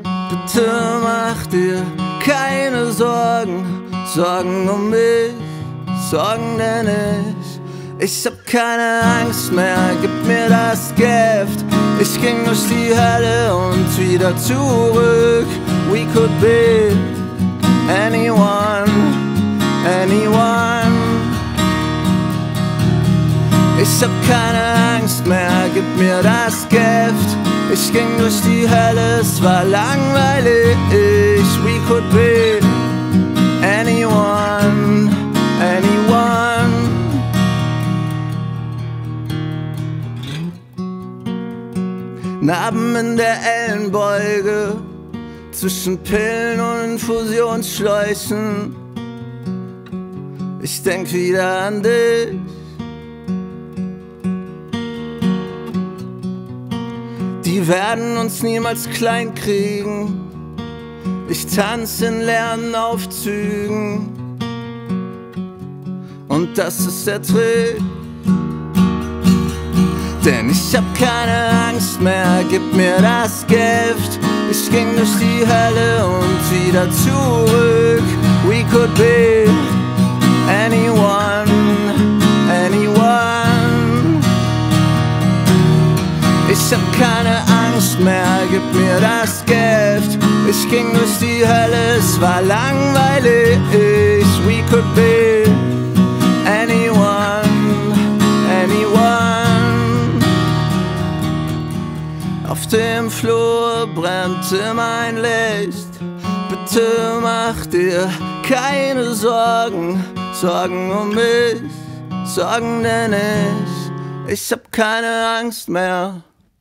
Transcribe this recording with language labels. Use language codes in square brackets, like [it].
[de] Bitte mach dir keine Sorgen. Sorgen um mich, Sorgen nenn ich. Ich hab keine Angst mehr, gib mir das Gift. Ich ging durch die Hölle und wieder zurück. [en] We could be anyone, anyone. [de] Ich hab keine Angst mehr, gib mir das Gift. Ich ging durch die Hölle, es war langweilig. [en] We could be anyone, anyone. [de] Narben in der Ellenbeuge, zwischen Pillen und Infusionsschläuchen. Ich denk wieder an dich. Die werden uns niemals klein kriegen. Ich tanz in leeren Aufzügen. Und das ist der Trick. Denn ich hab keine Angst mehr, gib mir das Gift. Ich ging durch die Hölle und wieder zurück. [en] We could be anyone, anyone. [de] Ich hab keine Angst mehr, gib mir das Gift. Ich ging durch die Hölle, es war langweilig. [en] We could be anyone, anyone. [de] Auf dem Flur brennt immer ein Licht. Bitte mach dir keine Sorgen. Sorgen um mich, Sorgen nenn ich. Ich hab keine Angst mehr.